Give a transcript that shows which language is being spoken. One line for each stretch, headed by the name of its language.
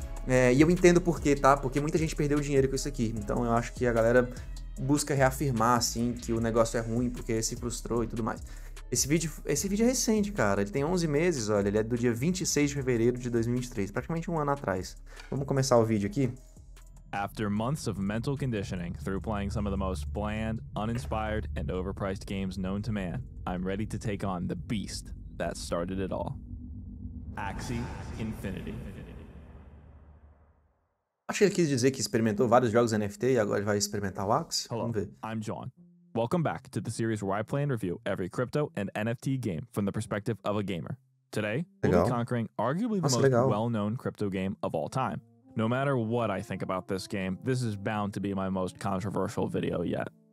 Portuguese: E eu entendo por quê, tá? Porque muita gente perdeu dinheiro com isso aqui. Então eu acho que a galera busca reafirmar, assim, que o negócio é ruim porque se frustrou e tudo mais. Esse vídeo é recente, cara. Ele tem 11 meses, olha. Ele é do dia 26 de fevereiro de 2023, praticamente um ano atrás. Vamos começar o vídeo aqui.
English: After months of mental conditioning through playing some of the most bland, uninspired, and overpriced games known to man, I'm ready to take on the beast that started it all. Axie Infinity.
Portuguese: Acho que ele quis dizer que experimentou vários jogos NFT e agora vai experimentar o Axie.
English: Hello,
Portuguese: vamos ver.
English: I'm John. Welcome back to the series where I play and review every crypto and NFT game from the perspective of a gamer. Today,
Portuguese: legal.
English: We'll be conquering arguably the most well-known crypto game of all time. No matter what I think about this game, this is bound to be my most controversial video yet.